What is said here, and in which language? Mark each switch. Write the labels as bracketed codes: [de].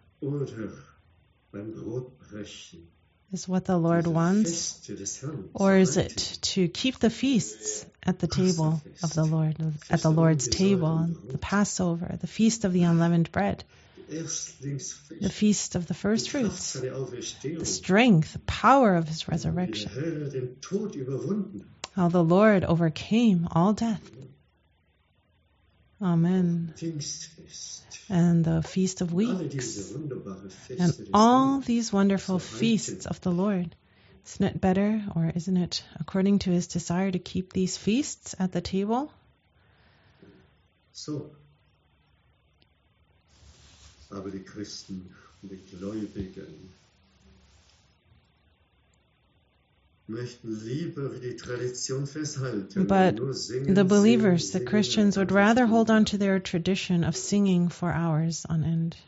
[en] is what the Lord wants, or is it to keep the feasts at the table of the Lord, at the Lord's table, the Passover, the Feast of the Unleavened Bread, the Feast of the First Fruits, the strength, the power of His resurrection, how the Lord overcame all death. Amen. And the Feast of Weeks, and all these wonderful feasts of the Lord. Isn't it better, or isn't it according to His desire to keep these feasts at the table? So. [de] Aber die Christen und die Gläubigen möchten lieber wie die Tradition festhalten. [en] But the believers, the Christians, would rather hold on to their tradition of singing for hours on end.